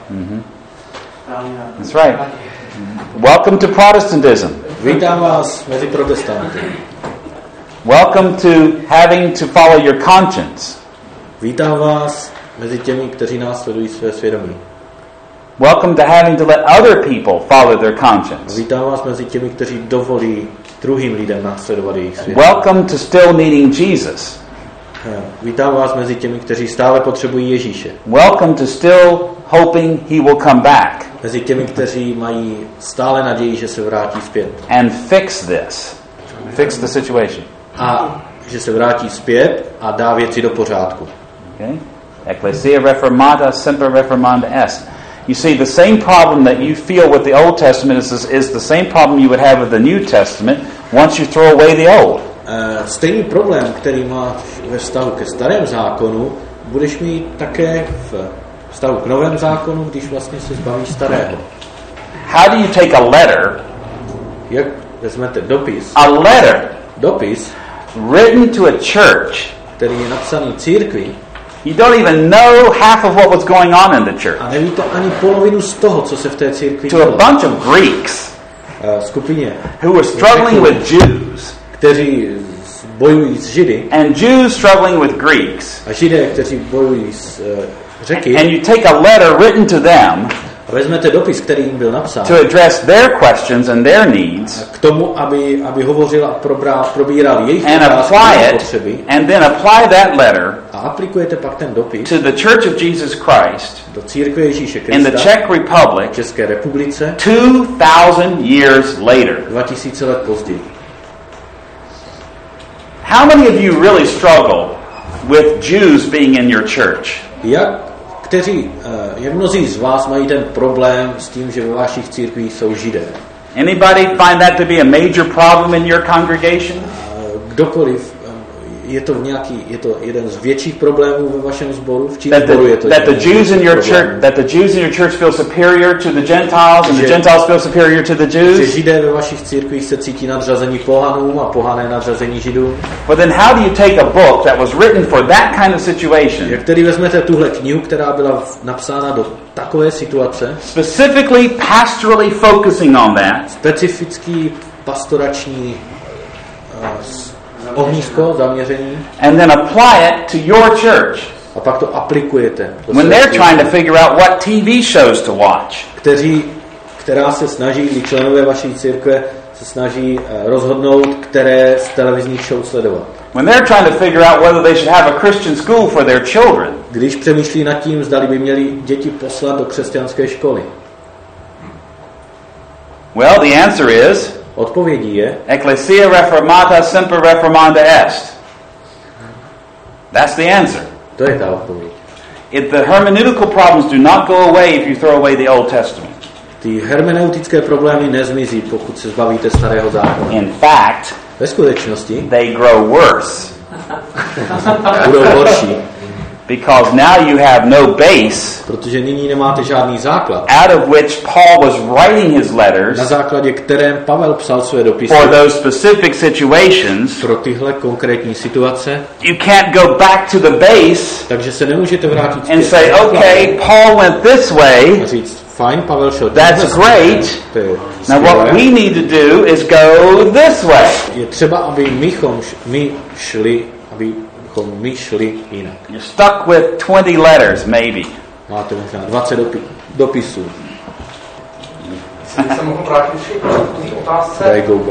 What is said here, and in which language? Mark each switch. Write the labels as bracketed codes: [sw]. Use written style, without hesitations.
[en] Mm-hmm. That's right. Welcome to Protestantism. [cs] Vítám vás mezi protestanty. [en] Welcome to having to follow your conscience. [cs] Vítám vás mezi těmi, kteří následují své svědomí. [en] Welcome to having to let other people follow their conscience. [cs] Vítám vás mezi těmi, kteří dovolí druhým lidem následovat jejich svědomí. [en] Welcome to still needing Jesus. [cs] Vítám vás mezi těmi, kteří stále potřebují Ježíše. [en] Welcome to still hoping he will come back. [cs] Mezi těmi, kteří mají stále naději, že se vrátí zpět. [en] And fix this. Fix the situation. [cs] A že se vrátí zpět a dá věci do pořádku. [en] Okay. [la] Ecclesia reformata semper reformanda est. [en] You see, the same problem that you feel with the Old Testament is the same problem you would have with the New Testament once you throw away the old. [cs] Stejný problém, který máš ve vztahu ke starému zákonu, budeš mít také v vztahu k novému zákonu, když vlastně se zbavíš starého. [en] How do you take a letter? [cs] Jak vezmete dopis? [en] A letter. [cs] Dopis. [en] Written to a church. [cs] Který je napsaný církvi. [en] You don't even know half of what was going on in the church. [cs] A nevíte ani polovinu z toho, co se v té církvi dělo. [en] To a bunch of Greeks. [cs] Skupině. [en] Who were struggling with Jews. [cs] Kteří bojují s Židy. [en] And Jews struggling with Greeks. [cs] A Židé, kteří bojují s Řeky. [en] And you take a letter written to them. [cs] A vezmete dopis, který jim byl napsán. [en] To address their questions and their needs. [cs] K tomu, aby hovořil a probíral jejich otázky. [en] And apply it. And then apply that letter. [cs] A aplikujete pak ten dopis. [en] To the Church of Jesus Christ. [cs] Do církve Ježíše Krista. [en] In the Czech Republic. [cs] České republice. [en] 2,000 years later. [cs] 2000 let později. [en] How many of you really struggle with Jews being in your church? [cs] Jak kteří, jak mnozí z vás mají ten problém s tím, že ve vašich církvích jsou Židé? [en] Anybody find that to be a major problem in your congregation? [cs] Kdokoliv, je to nějaký, je to jeden z větších problémů ve vašem sboru, v čím sboru je to? [en] That the Jews in your church, that the Jews in your church feel superior to the Gentiles, and the Gentiles feel superior to the Jews? [cs] Že Židé ve vašich církvích se cítí nadřazení pohanům a pohané nadřazení Židům? [en] But then how do you take a book that was written for that kind of situation? [cs] Jak tedy vezmete tuhle knihu, která byla napsána do takové situace? [en] Specifically pastorally focusing on that. [cs] Specifický pastorační ohnisko, zaměření. [en] And then apply it to your church. [cs] A pak to aplikujete. [en] When they're trying to figure out what TV shows to watch. [cs] Která se snaží, kdy členové vaší církve se snaží rozhodnout, které z televizních show sledovat. [en] When they're trying to figure out whether they should have a Christian school for their children. [cs] Když přemýšlí nad tím, zdali by měli děti poslat do křesťanské školy. [en] Well, the answer is [cs] odpovědí je [la] Ecclesia Reformata Semper Reformanda Est. [en] That's the answer. [cs] To je ta odpověď. [en] If the hermeneutical problems do not go away if you throw away the Old Testament. [cs] Ty hermeneutické problémy nezmizí, pokud se zbavíte starého zákona. [en] In fact, [cs] ve skutečnosti, [en] they grow worse. [cs] Budou horší. [en] Because now you have no base. [cs] Protože nyní nemáte žádný základ. [en] Out of which Paul was writing his letters. [cs] Na základě kterém Pavel psal své dopisy. [en] For those specific situations. [cs] Pro tyhle konkrétní situace. [en] You can't go back to the base. [cs] Takže se nemůžete vrátit. [en] And say, okay, Paul went this way. [cs] Fine, Pavel šel. [en] That's great. Now what we need to do is go this way. [cs] Je třeba, aby my šli, aby my šli jinak. [en] You're stuck with 20 letters, maybe. [cs] Máte možná 20 dopisů. Jestli by se mohl vrátit ještě k tomu otázce.